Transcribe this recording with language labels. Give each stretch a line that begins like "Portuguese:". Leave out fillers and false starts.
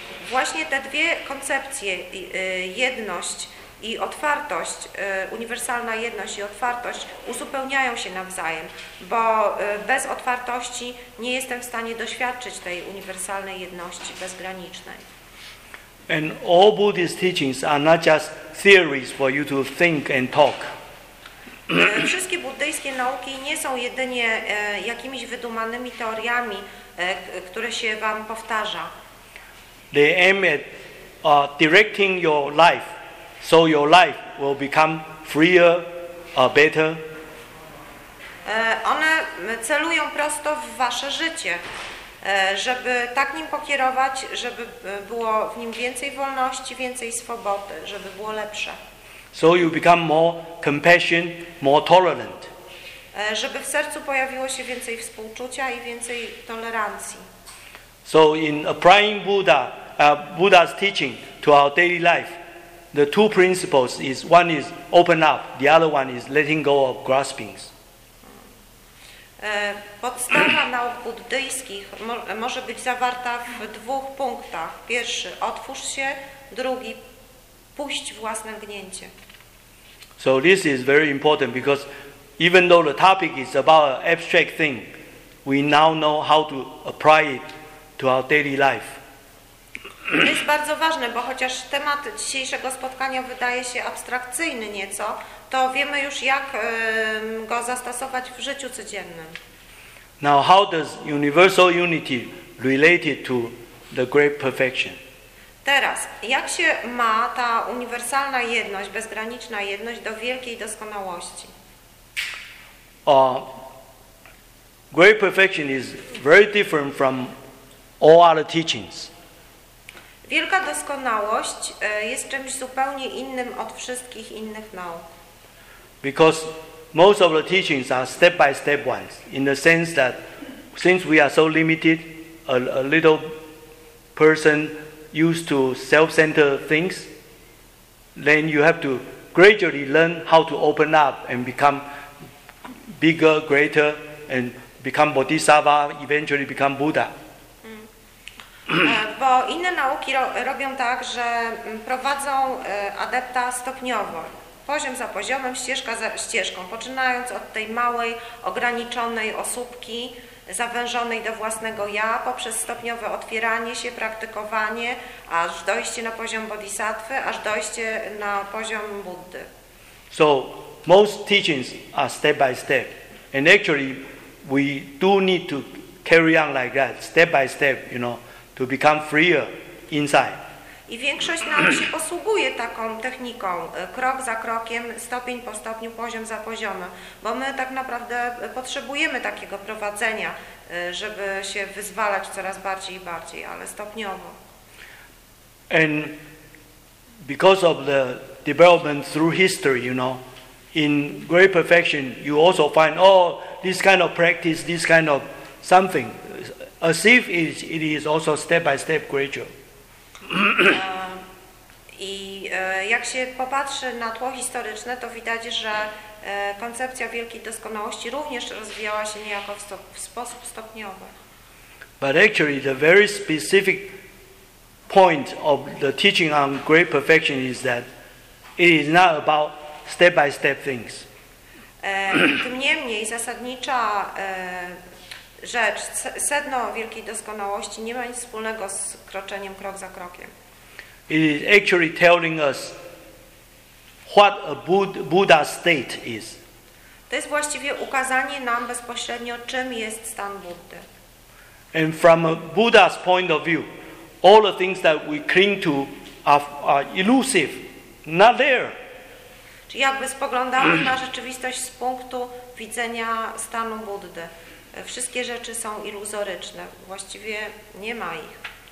Polish: Właśnie te dwie koncepcje, jedność i otwartość, uniwersalna jedność i otwartość, uzupełniają się nawzajem, bo bez otwartości nie jestem w stanie doświadczyć tej uniwersalnej jedności bezgranicznej.
English: And all Buddhist teachings are not just theories for you to think and talk.
Polish: Wszystkie buddyjskie nauki nie są jedynie jakimiś wydumanymi teoriami, które się wam powtarza.
English: They aim at directing your life, so your life will become freer, better.
Polish: One celują prosto w wasze życie, żeby tak nim pokierować, żeby było w nim więcej wolności, więcej swobody, żeby było lepsze.
English: So you become more compassion, more tolerant.
Polish: Żeby w sercu pojawiło się więcej współczucia i więcej tolerancji.
English: So in applying Buddha, Buddha's teaching to our daily life, the two principles is, one is open up, the other one is letting go of graspings.
Polish: Podstawa nauk buddyjskich może być zawarta w dwóch punktach. Pierwszy, otwórz się, drugi, puść własne gnięcie.
English: So this is very important, because even though the topic is about an abstract thing, we now know how to apply it to our daily life.
Polish: To jest bardzo ważne, bo chociaż temat dzisiejszego spotkania wydaje się abstrakcyjny nieco, to wiemy już, jak go zastosować w życiu codziennym.
English: Now, how does universal unity related to the great perfection?
Polish: Teraz, jak się ma ta uniwersalna jedność, bezgraniczna jedność do wielkiej doskonałości?
English: Great perfection is very different from all other teachings.
Polish: Wielka doskonałość jest czymś zupełnie innym od wszystkich innych nauk.
English: Because most of the teachings are step by step ones, in the sense that since we are so limited, a little person used to self-centered things, then you have to gradually learn how to open up and become bigger, greater, and become Bodhisattva, eventually become Buddha.
Polish: Bo inne nauki robią tak, że prowadzą adepta stopniowo. poziom za poziomem, ścieżka za ścieżką, poczynając od tej małej, ograniczonej osóbki, zawężonej do własnego ja, poprzez stopniowe otwieranie się, praktykowanie, aż dojście na poziom bodhisattwy, aż dojście na poziom Buddy.
English: So, most teachings are step by step. And actually, we do need to carry on like that, step by step, you know, to become freer inside.
Polish: I większość nam się posługuje taką techniką, krok za krokiem, stopień po stopniu, poziom za poziomem, bo my tak naprawdę potrzebujemy takiego prowadzenia, żeby się wyzwalać coraz bardziej i bardziej, ale stopniowo.
English: And because of the development through history, you know, in great perfection, you also find, oh, this kind of practice, this kind of something, as if it is also step by step gradual.
Polish: I jak się popatrzy na tło historyczne, to widać, że koncepcja wielkiej doskonałości również rozwijała się niejako w sposób stopniowy.
English: But actually the very specific point of the teaching on great perfection is that it is not about step by step things.
Polish: Tym niemniej zasadnicza rzecz, sedno wielkiej doskonałości nie ma nic wspólnego z kroczeniem krok za krokiem.
English: It is actually telling us what a Buddha state is.
Polish: To jest właściwie ukazanie nam bezpośrednio, czym jest stan Buddy.
English: And from a Buddha's point of view, all the things that we cling to are elusive, not there.
Polish: Czyli jakby spoglądamy na rzeczywistość z punktu widzenia stanu Buddy. Wszystkie rzeczy są iluzoryczne, właściwie nie ma ich.